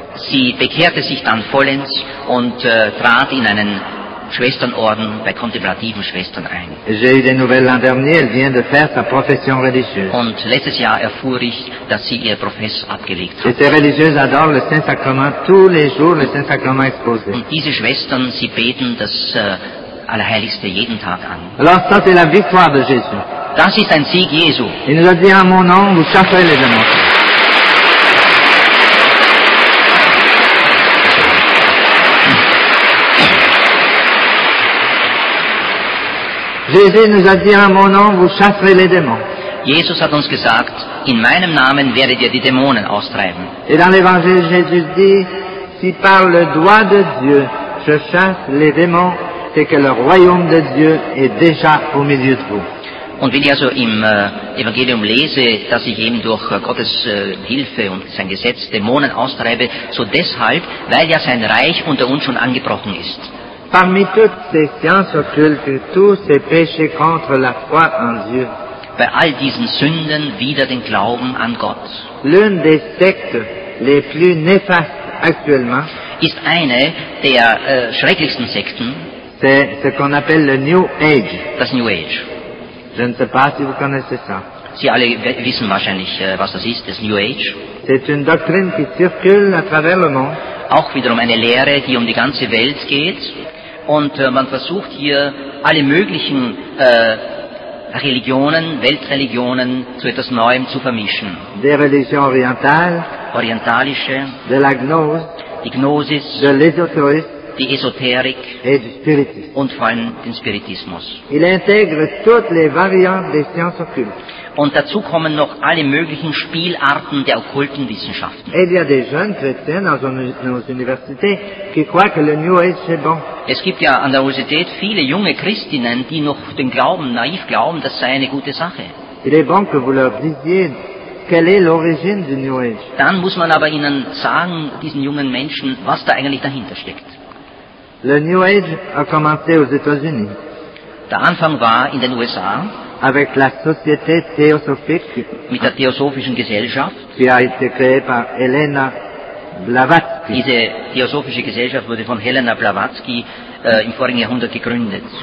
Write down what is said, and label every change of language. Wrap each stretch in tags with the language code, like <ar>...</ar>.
<de>Sie bekehrte sich dann vollends und trat in einen Schwesternorden bei kontemplativen Schwestern ein.</de> <fr>J'ai eu des nouvelles l'an dernier, elle vient de faire sa profession religieuse.</fr> <de>Und letztes Jahr erfuhr ich, dass sie ihr Profess abgelegt hat.</de> <fr>Et ces religieuses adorent le Saint-Sacrement tous les jours, le Saint-Sacrement exposé.</fr> <de>Und diese Schwestern, sie beten das Allerheiligste jeden Tag an.</de> <fr>Alors ça, c'est la victoire de Jésus.</fr> <de>Das ist ein Sieg Jesu.</de> <fr>Il nous a dit, en mon nom, vous chasserez les démons. Jésus nous a dit en mon nom, vous chasserez les démons.</fr> <de>Jesus hat uns gesagt, in meinem Namen werdet ihr die Dämonen austreiben.</de> <fr>Et dans l'Évangile, Jésus dit, si par le droit de Dieu je chasse les démons, c'est que le royaume de Dieu est déjà au milieu de vous.</fr> <de>Und wenn ich also im Evangelium lese, dass ich eben durch Gottes Hilfe und sein Gesetz Dämonen austreibe, so deshalb, weil ja sein Reich unter uns schon angebrochen ist.</de> <fr>Parmi toutes ces sciences occultes, tous ces péchés contre la foi en Dieu.</fr> <de>Bei all diesen Sünden wider den Glauben an Gott.</de> <fr>L'une des sectes les plus néfastes actuellement</fr> <de>ist eine der schrecklichsten Sekten.</de> <fr>C'est ce qu'on appelle le New Age.</fr> <de>Das New Age.</de> <fr>Je ne sais pas si vous connaissez ça.</fr> <de>Sie alle wissen wahrscheinlich, was das ist, das New Age.</de> <fr>C'est une doctrine qui circule à travers le monde.</fr> <de>Auch wiederum eine Lehre, die um die ganze Welt geht. Und man versucht hier, alle möglichen Religionen, Weltreligionen zu etwas Neuem zu vermischen.</de> <fr>Die Religion orientale,</fr> <de>orientalische,</de> <fr>de la gnose,</fr> <de>die Gnosis,</de> <fr>de l'ésotérisme,</fr> <de>die Esoterik</de> <fr>et du spiritisme.</fr> <de>Und vor allem den Spiritismus.</de> <fr>Il intègre toutes les variantes des sciences occultes.</fr> <de>Und dazu kommen noch alle möglichen Spielarten der okkulten Wissenschaften.</de> <fr>Et il y a des jeunes chrétiens dans nos universités qui croient que le New Age c'est bon.</fr> <de>Es gibt ja an der Universität viele junge Christinnen, die noch den Glauben naiv glauben, das sei eine gute Sache.</de> <fr>Il est bon que vous leur disiez quelle est l'origine du New Age.</fr> <de>Dann muss man aber ihnen sagen, diesen jungen Menschen, was da eigentlich dahinter steckt.</de> <fr>Le New Age a commencé aux États-Unis.</fr> <de>Der Anfang war in den USA.</de> <fr>Avec la société théosophique,</fr> <de>mit der theosophischen Gesellschaft,</de> <fr>qui a été créée par Helena Blavatsky.</fr> <de>Diese theosophische Gesellschaft wurde von Helena Blavatsky im vorigen Jahrhundert gegründet.</de>